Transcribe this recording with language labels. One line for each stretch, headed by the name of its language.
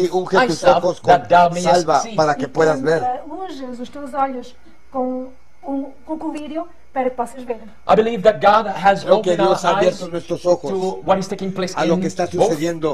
Spanish: y unge tus ojos con salva para que y puedas ver.
Portuguese: Unges os teus olhos com colírio.
English: I believe that God has
Spanish: creo que
English: opened
Spanish: Dios ha abierto nuestros ojos
English: what is taking place
Spanish: a lo que está sucediendo